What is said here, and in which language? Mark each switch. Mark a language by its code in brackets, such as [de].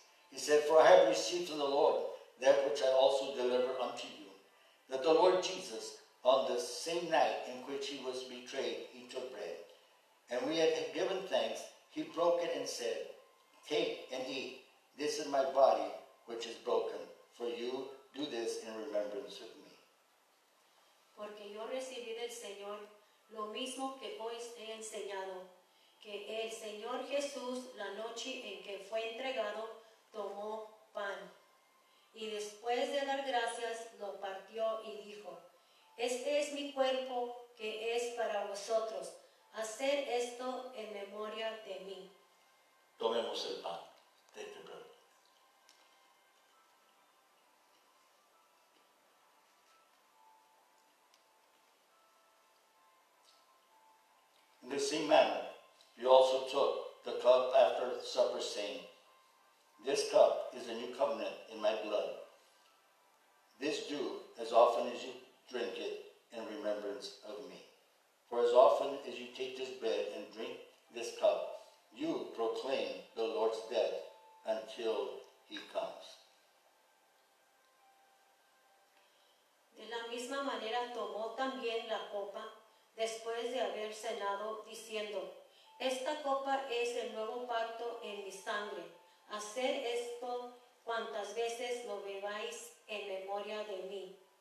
[en] He said, for I have received from the Lord that which I also deliver unto you, that the Lord Jesus, on the same night in which he was betrayed, he took bread. And when he had given thanks, he broke it and said, take and eat. This is my body, which is broken for you. Do this in remembrance of me. [es] Porque yo recibí del Señor lo mismo que hoy he enseñado, que el Señor Jesús, la noche en que fue entregado, tomó pan. Y después de dar gracias, lo partió y dijo, este es mi cuerpo que es para vosotros. Haced esto en memoria de mí. Tomemos el pan. [en] Take the bread. In the same manner, he also took the cup after supper, saying, this cup is the new covenant in my blood. This do as often as you drink it in remembrance of me. For as often as you take this bread and drink this cup, you proclaim the Lord's death until he comes. [es] De la misma manera tomó también la copa, después de haber cenado, diciendo, esta copa es el nuevo pacto en mi sangre. Haced esto cuantas veces lo bebáis en memoria de mí.